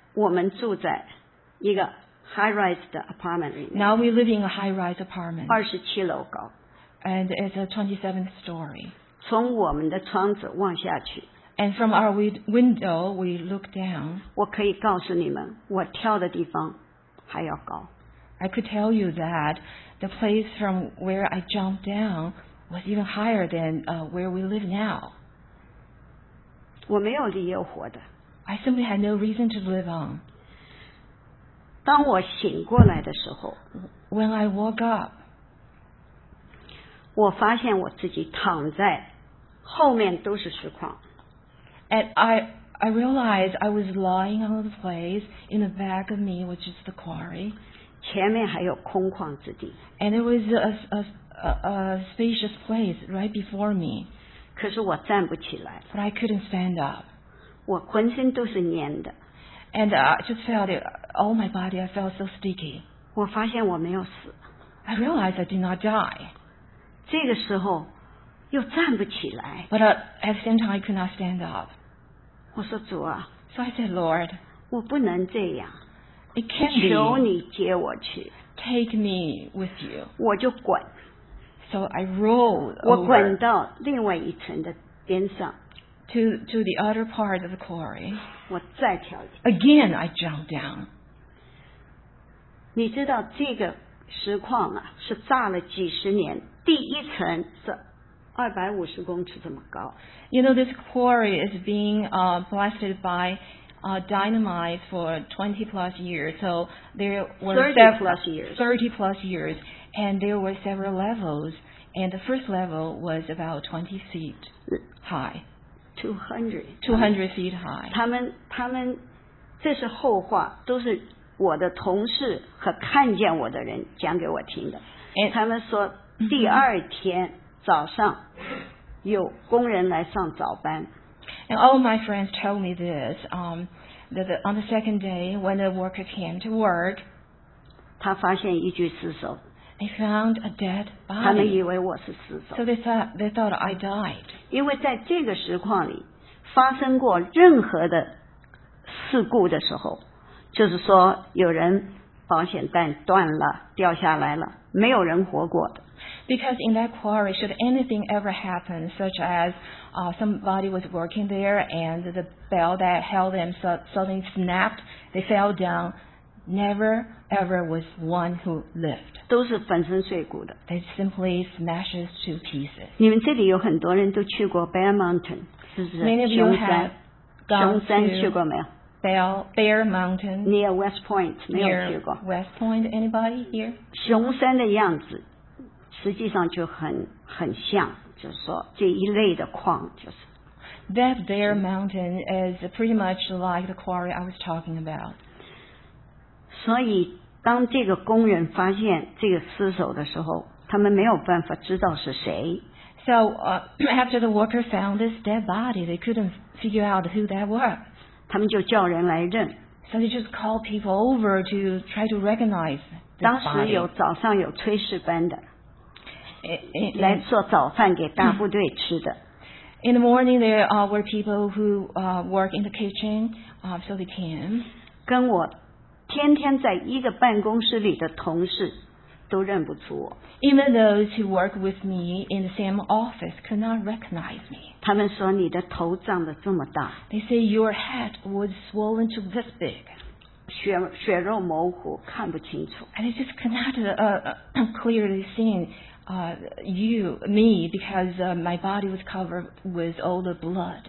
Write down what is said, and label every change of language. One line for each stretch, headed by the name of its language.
Chinese: 我们住在一个 high-rise 的 apartment 里面。
English: Now we live in a high-rise apartment.
Chinese: 27楼高。
English: And it's a 27th story.
Chinese: 从我们的窗子望下去。
English: And from our window, we look down.
Chinese: 我可以告诉你们，我跳的地方还要高。
English: I could tell you that the place from where I jumped down was even higher than where we live now.
Chinese: 我没有理由活的。
English: I simply had no reason to live on.
Chinese: 当我醒过来的时候
English: ，When I woke up，
Chinese: 我发现我自己躺在后面都是石矿。
English: And I realized I was lying on the place in the back of me, which is the quarry.
Chinese: 前面还有空旷之地。
English: And there was a spacious place right before me.
Chinese: 可是我站不起来。
English: But I couldn't stand up.
Chinese: 我浑身都是黏的
English: ，and I just felt all my body. I felt so sticky.
Chinese: 我发现我没有死
English: ，I realized I did not die.
Chinese: 这个时候又站不起来
English: ，but at the same time I could not stand up.
Chinese: 我说主啊
English: ，so I said Lord,
Chinese: 我不能这样
English: ，it can't be.
Chinese: 求你接我去
English: ，take me with you.
Chinese: 我就滚
English: ，so I rolled.
Chinese: 我滚到另外一层的边上。
English: To the other part of the quarry.
Chinese: 我再跳一次。
English: Again, I jumped down.
Chinese: 你知道这个石矿啊，是炸了几十年，第一层是250公尺这么高。
English: You know this quarry is being blasted by dynamite for 20 plus years. So there were 30 plus years, and there were several levels. And the first level was about 20 feet high. 200 feet high.
Chinese: 他们这是后话，都是我的同事和看见我的人讲给我听的。
English: And,
Chinese: 他们说第二天早上有工人来上早班。
English: And all my friends told me this, on the second day when the worker came to work,
Chinese: 他发现一具尸首。
English: They found a dead body.
Chinese: 他们以为我是死者。
English: So they thought I died.
Chinese: 因为在这个石矿里发生过任何的事故的时候，就是说有人保险带断了，掉下来了，没有人活过的。
English: Because in that quarry, should anything ever happen, such as somebody was working there and the bell that held them suddenly snapped, they fell down. Never ever was one who lived.
Chinese: 都是粉身碎骨的。
English: They simply smashes to pieces.
Chinese: 你们这里有很多人都去过 Bear Mountain, 是不是？
English: Many of you have gone to
Chinese: 熊山去过没有
English: ？Bear Mountain
Chinese: near West Point 没有去过
English: ？West Point anybody here?
Chinese: 熊山的样子实际上就很像，就是说这一类的矿就是。
English: That bare mountain is pretty much like the quarry I was talking about.
Chinese: 所以当这个工人发现这个尸首的时候，他们没有办法知道是谁。
English: So, after the worker found this dead body, they couldn't figure out who that were.
Chinese: 他们就叫人来认。
English: So they just called people over to try to recognize this body.
Chinese: 当时有早上有炊事班的，来做早饭给大部队吃的。
English: In the morning, there were people who work in the kitchen, so they came.
Chinese: 跟我天天在一个办公室里的同事都认不出我。
English: Even those who work with me in the same office could not recognize me.
Chinese: 他们说你的头长得这么大。
English: They say your head was swollen to this big.
Chinese: 血肉模糊，看不清楚。
English: And I just could not clearly see you, me, because my body was covered with all the blood.